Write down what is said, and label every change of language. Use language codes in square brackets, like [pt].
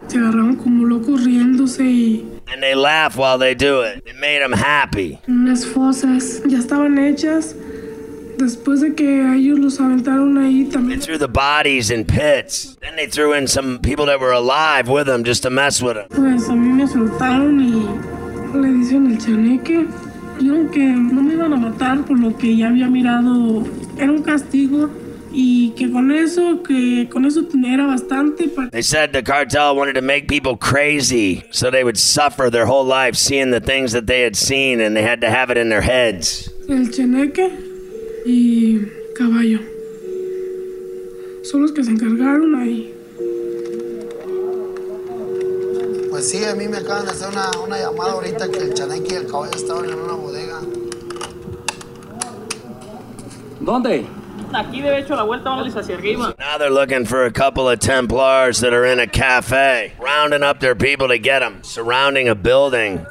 [es] Se agarraban como locos riéndose y. [en] And they laugh while they do it. It made them happy. [es] Las fosas ya estaban hechas. [en] They threw the bodies in pits. Then they threw in some people that were alive with them just to mess with them. [es] Que no me iban a matar por lo que ya había mirado. Era un castigo y que con eso era bastante. [en] They said the cartel wanted to make people crazy so they would suffer their whole life seeing the things that they had seen, and they had to have it in their heads. [es] El cheneque y caballo son los que se encargaron ahí. Pues sí, a mí me acaban de hacer una llamada ahorita que el chaneque y el caballo estaban en una bodega. ¿Dónde? Aquí de hecho la vuelta vamos hacia arriba. [en] So now they're looking for a couple of Templars that are in a cafe, rounding up their people to get them, surrounding a building.